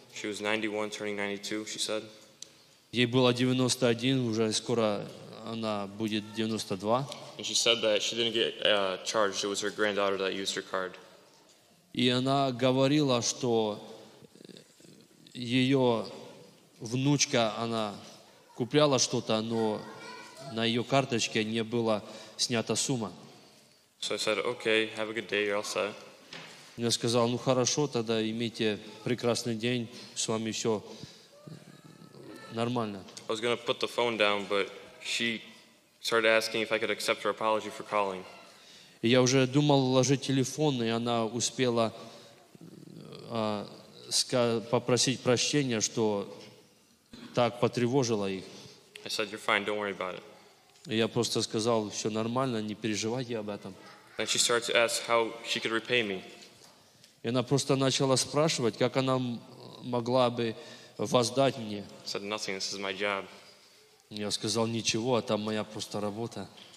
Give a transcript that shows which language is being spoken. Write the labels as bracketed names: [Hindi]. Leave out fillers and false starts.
[English] She was 91, turning 92, she said. [Russian] Ей было 91, уже скоро она будет 92. [English] And she said that she didn't get charged. It was her granddaughter that used her card. [Russian] И она говорила, что ее внучка, она купляла что-то, но на ее карточке не была снята сумма. [English] So I said, okay, have a good day, you're all set. [Russian] Я сказал, ну хорошо, тогда имейте прекрасный день, с вами все нормально. [English] I was going to put the phone down, but she started asking if I could accept her apology for calling. [Russian] Я уже думал ложить телефон, и она успела попросить прощения, что так потревожила их. [English] I said, you're fine, don't worry about it. [Russian] Я просто сказал, все нормально, не переживайте об этом. [English] Then she started to ask how she could repay me. [Russian] И она просто начала спрашивать, как она могла бы воздать мне. [English] I said, nothing, this is my job. [Russian] Я сказал, ничего, это моя просто работа.